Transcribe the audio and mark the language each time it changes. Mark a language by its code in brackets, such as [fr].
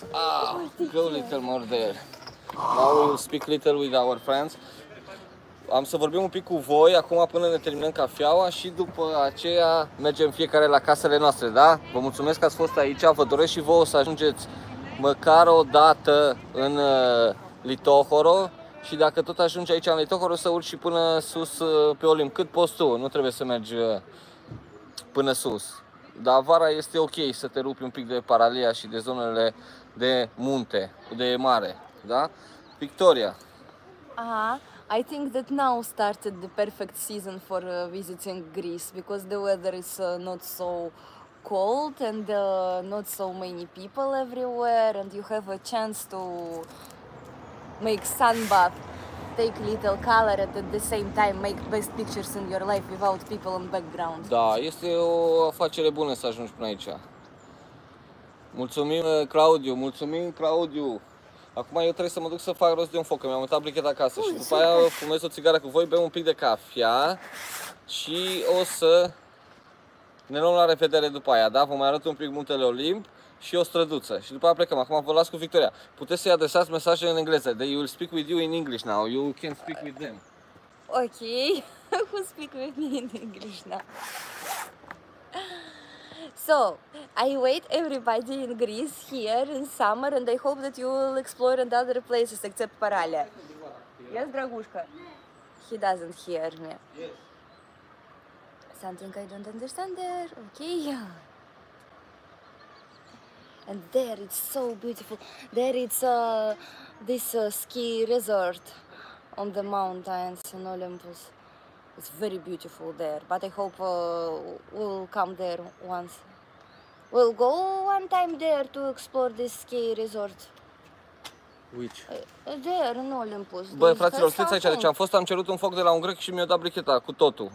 [en] Than you. Ah, go a little more there. Now we will speak little with our friends. [ro] Am să vorbim un pic cu voi, acum până ne terminăm cafeaua și după aceea mergem fiecare la casele noastre, da? Vă mulțumesc că ați fost aici, vă doresc și vouă să ajungeți măcar o dată în Litohoro. Și dacă tot ajungi aici în Litohoro, să urci și până sus pe Olimp, cât poți tu, nu trebuie să mergi până sus. Dar vara este ok să te rupi un pic de paralia și de zonele de munte, de mare, da? Victoria. Aha. [en] I think that now started the perfect season for visiting Greece because the weather is not so cold and not so many people everywhere, and you have a chance to make sunbath, take little color, and at the same time make best pictures in your life without people in background. [ro] Da, este o afacere bună să ajungi până aici. Mulțumim, Claudiu, mulțumim, Claudiu. Acum eu trebuie să mă duc să fac rost de un foc, că mi-am uitat bricheta acasă. Ui, și după aia fumez o țigară cu voi, bem un pic de cafea și o să ne luăm la revedere după aia, da? Vă mai arăt un pic Muntele Olimp și o străduță. Și după aia plecăm. Acum vă las cu Victoria. Puteți să-i adresați mesaje în engleză. [en] They will speak with you in English now. You can speak with them. Ok. Who speak with me in English now? So, I wait everybody in Greece here in summer, and I hope that you will explore in other places except Paralia. Yes, Dragușca? He doesn't hear me. Yes. Something I don't understand there. Okay. And there it's so beautiful. There it's this ski resort on the mountains in Olympus. It's very beautiful there, but I hope we'll come there once. We'll go one time there to explore this ski resort. Which? There, in Olympus. [ro] Bă, fraților, știți aici, deci am fost, am cerut un foc de la un grec și mi-a dat bricheta cu totul.